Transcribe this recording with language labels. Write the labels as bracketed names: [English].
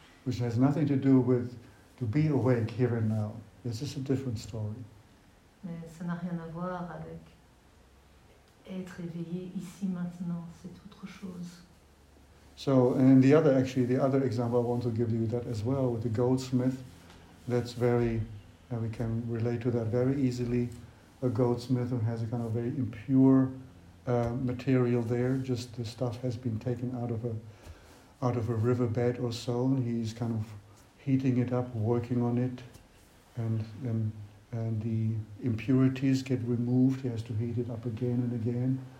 [English] Which has nothing to do with to be awake here and now. This is a different story. [French] Mais ça n'a rien à voir avec être éveillé ici maintenant. C'est autre chose. [English] So, and the other example I want to give you that as well, with the goldsmith, that's very, and we can relate to that very easily, a goldsmith who has a kind of very impure material there, just the stuff has been taken out of a riverbed or so, and he's kind of heating it up, working on it, and the impurities get removed, he has to heat it up again and again.